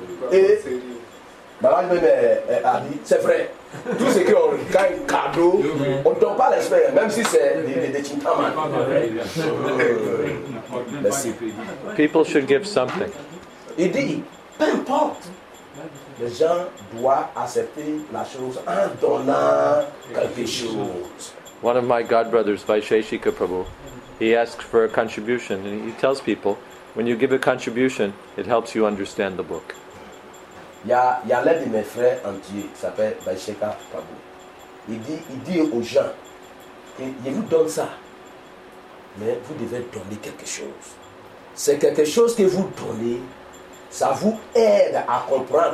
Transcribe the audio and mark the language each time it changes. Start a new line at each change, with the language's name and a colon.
French: Et Barrage même a dit, c'est vrai, tout ce qu'on gagne cadeau, on ne donne pas l'espoir, même si c'est des chintamans. Merci.
English: People should give something.
French: Il dit, peu importe, les gens doivent accepter la chose en donnant quelque chose.
English: One of my godbrothers, Vaisheshika Prabhu, he asks for a contribution, and he tells people, when you give a contribution, it helps you understand the book.
French: Il y a l'un de mes frères en Dieu qui s'appelle Vaisheshika Prabhu. Il dit aux gens que je vous donne ça, mais vous devez donner quelque chose. c'est quelque chose que vous donnez, ça vous aide à comprendre.